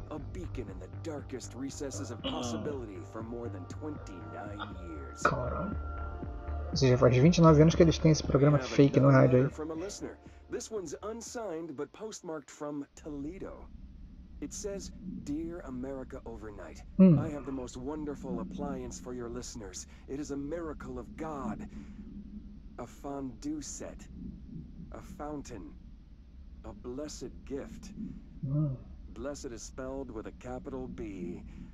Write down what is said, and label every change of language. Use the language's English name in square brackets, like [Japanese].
[English] A beacon in the darkest recesses of possibility for more than 29 years. [Portuguese] Cara, ou seja, faz 29 anos que eles têm esse programa fake no rádio aí. [English] From a listener. This one's unsigned but postmarked from Toledo. It says, "Dear America Overnight, I have the most wonderful appliance for your listeners. It is a miracle of God. A fondue set. A fountain. A blessed gift." Blessed is spelled with a capital B.